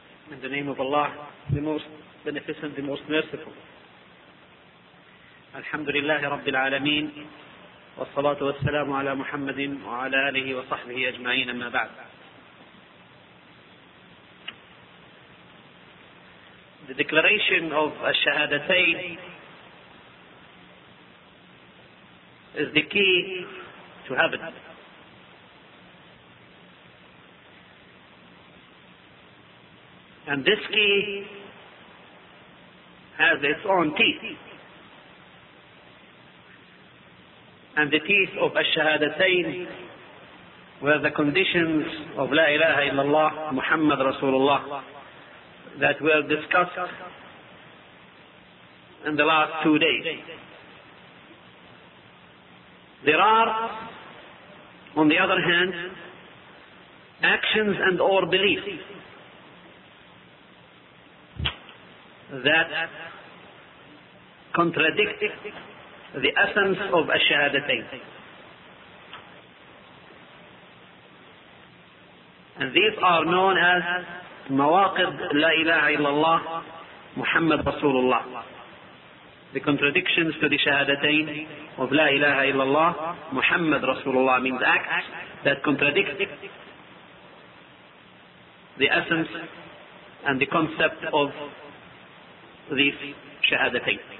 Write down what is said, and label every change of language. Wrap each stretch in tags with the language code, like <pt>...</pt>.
<en>In the name of Allah, the most beneficent, the most merciful.</en> <ar>الحمد لله رب العالمين والصلاة والسلام على محمد وعلى آله وصحبه أجمعين أما بعد.</ar> <en>The declaration of الشهادتين is the key to heaven. And this key has its own teeth. And the teeth of الشهادتين were the conditions of</en> <ar>لا إله إلا الله محمد رسول الله</ar> <en>that were discussed in the last 2 days. There are, on the other hand, actions and or beliefs that contradict the essence of الشهادتين. And these are known as</en> <ar>مواقض لا إله إلا الله محمد رسول الله.</ar> <en>The contradictions to the شهادتين of</en> <ar>لا إله إلا الله محمد رسول الله</ar> <en>means acts that contradict the essence and the concept of these شهادتين.</en>